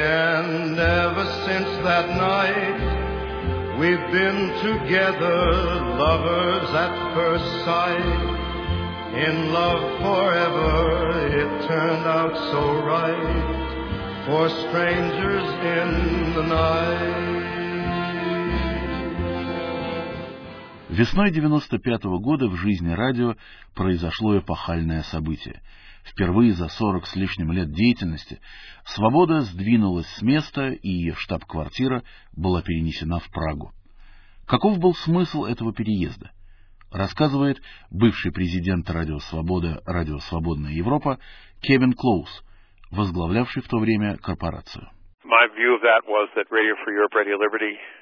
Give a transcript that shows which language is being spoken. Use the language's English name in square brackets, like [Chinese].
[English] And ever since that night, we've been together, lovers at first sight, in love forever. It turned out so right for strangers in the night. [Russian] Весной 95-го года в жизни радио произошло эпохальное событие. Впервые за 40 с лишним лет деятельности «Свобода» сдвинулась с места, и штаб-квартира была перенесена в Прагу. Каков был смысл этого переезда? Рассказывает бывший президент «Радио Свобода», «Радио Свободная Европа» Кевин Клоуз, возглавлявший в то время корпорацию. [English] My view of that was that Radio Free Europe, Radio Liberty...